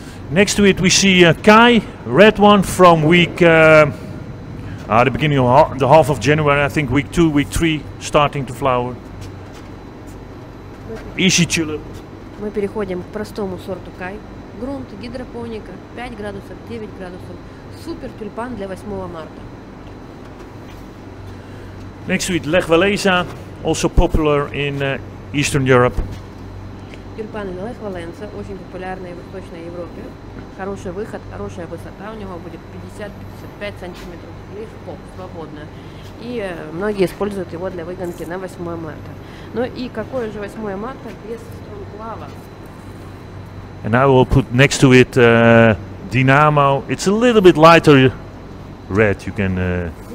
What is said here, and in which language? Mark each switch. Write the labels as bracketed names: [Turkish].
[English] next to it we see a Kai, red one from week, the beginning of the half of January, I think week 2, week 3, starting to flower. Easy tulip. [Russian] Мы переходим к простому сорту Kai. Грунт, гидропоника, 5 градусов, 9 градусов. Супер тюльпан для 8 марта. [English] Next week, Lechvalenza, also popular in Eastern Europe. [Russian] Тюльпаны Lechvalenza, очень популярные в Восточной Европе. хороший выход, хорошая высота у него будет 50-55 сантиметров, легко, свободно. И многие используют его для выгонки на 8 марта. Ну и какое же 8 марта без стронглава? [English] And I will put next to it Dynamo. It's a little bit lighter red, you can...